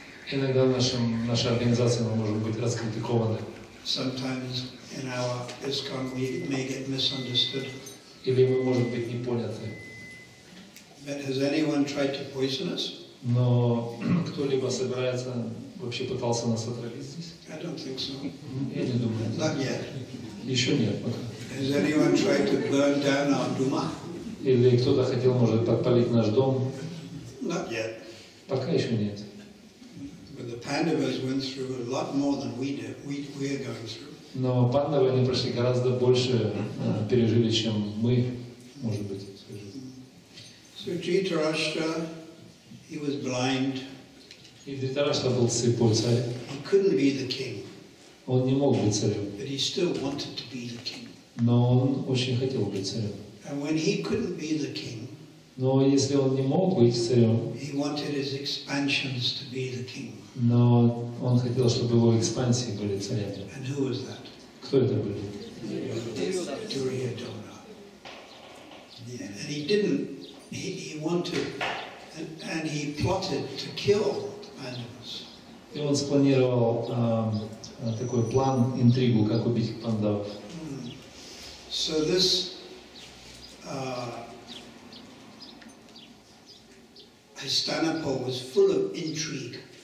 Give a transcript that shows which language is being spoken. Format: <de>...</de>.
<ru>Иногда наша организация может быть раскритикована.</ru> <en>Sometimes in our ISKCON we may get misunderstood.</en> <ru>Или мы можем быть непоняты.</ru> <en>But has anyone tried to poison us?</en> <ru>Но кто-либо собирается вообще пытался нас отравить здесь?</ru> <en>I don't think so.</en> <ru>Я не думаю.</ru> <en>Not yet.</en> <ru>Еще нет пока.</ru> <en>Has anyone tried to burn down our Duma?</en> <ru>Или кто-то хотел, может, подпалить наш дом?</ru> <en>Not yet.</en> <ru>Пока еще нет.</ru> <en>But the Pandavas went through a lot more than we did. We are going through.</en> <ru>Но Пандавы они прошли гораздо больше пережили, чем мы, может быть.</ru> <en>So Dhritarashtra, he was blind.</en> <ru>И Дхритарашта был слепой царь.</ru> <en>He couldn't be the king.</en> <ru>Он не мог быть царем.</ru> <en>But he still wanted to be the king.</en> <ru>Но он очень хотел быть царем.</ru> <en>And when he couldn't be the king.</en> <ru>Но если он не мог быть царем.</ru> <en>He wanted his expansions to be the king.</en> <ru>Но он хотел, чтобы его экспансии были царями.</ru> <en>And who was that?</en> <ru>Кто это были?</ru> <en>Duryodhana. Yeah. And he didn't. He wanted, and he plotted to kill the Pandavas.</en> <ru>И он спланировал такой план, интригу, как убить Пандавов.</ru> <en>So this. Hastinapur was full of intrigue.</en>